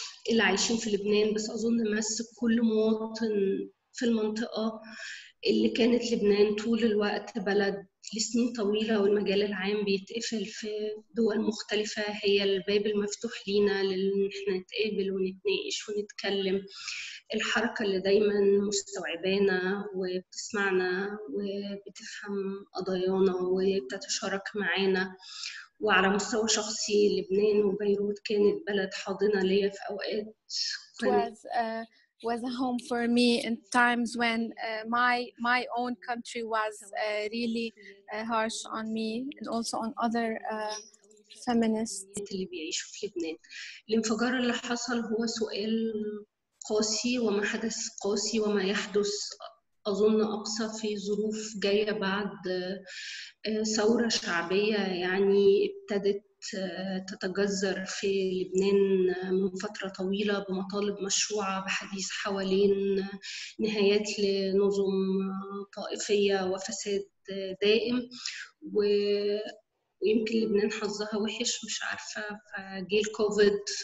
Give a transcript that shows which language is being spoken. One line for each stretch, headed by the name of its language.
Arabic: اللي عايشين في لبنان، بس اظن مس كل مواطن في المنطقه، اللي كانت لبنان طول الوقت بلد لسنين طويلة والمجال العام بيتقفل في دول مختلفة، هي الباب المفتوح لينا لأن احنا نتقابل ونتناقش ونتكلم، الحركة اللي دايما مستوعبانا وبتسمعنا وبتفهم قضايانا وبتتشارك معانا. وعلى مستوى شخصي لبنان وبيروت كانت بلد حاضنة ليا في أوقات كويس.
English: was a home for me in times when my own country was really harsh on me and also on other feminists.
Arabic: اللي بيعيشوا في لبنان. الانفجار اللي حصل هو سؤال قاسي وما حدث قاسي وما يحدث أظن أقصى في ظروف جاية بعد ثورة شعبية يعني ابتدت تتجذر في لبنان من فترة طويلة بمطالب مشروعة بحديث حوالين نهايات لنظم طائفية وفساد دائم ويمكن لبنان حظها وحش مش عارفة فجي الكوفيد